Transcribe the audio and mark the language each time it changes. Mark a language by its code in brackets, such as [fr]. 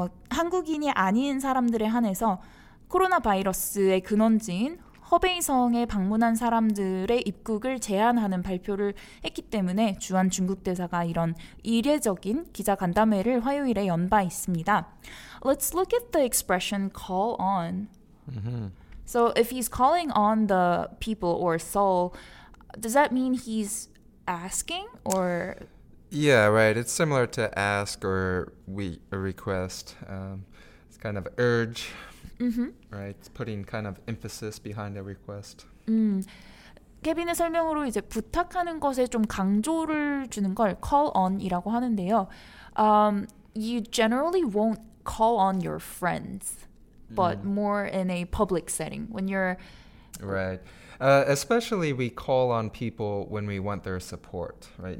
[ko] 한국인이 아닌 사람들에 한해서 코로나 바이러스의 근원지인 허베이성에 방문한 사람들의 입국을 제한하는 발표를 했기 때문에 주한 중국 대사가 이런 이례적인 기자 간담회를 화요일에 연 바 있습니다. [en] Let's look at the expression call on. So if he's calling on the people or Seoul, does that mean he's asking or... Yeah, right. It's similar to ask or request. It's kind of urge. Right, putting kind of emphasis behind the request. [ko] 케빈의 설명으로 이제 부탁하는 것에 좀 강조를 주는 걸 call on이라고 하는데요. [en] You generally won't call on your friends, but more in a public setting when you're right. Especially we call on people when we want their support, right?